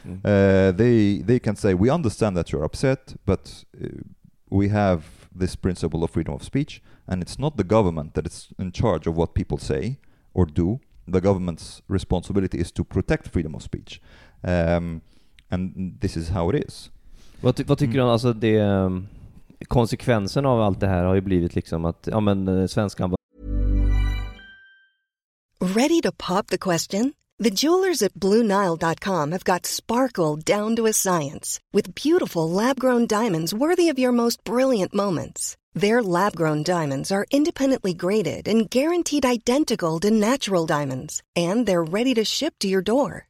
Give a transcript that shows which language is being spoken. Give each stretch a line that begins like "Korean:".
English: They can say, we understand that you're upset, but we have this principle of freedom of speech, and it's not the government that is in charge of what people say or do. The government's responsibility is to protect freedom of speech, and this is how it is. What do you think? Also, the
Swedish: konsekvensen av allt det här har ju blivit liksom att ja, men svenskan var...
English: Ready to pop the question? The jewelers at BlueNile.com have got sparkle down to a science with beautiful lab-grown diamonds worthy of your most brilliant moments. Their lab-grown diamonds are independently graded and guaranteed identical to natural diamonds, and they're ready to ship to your door.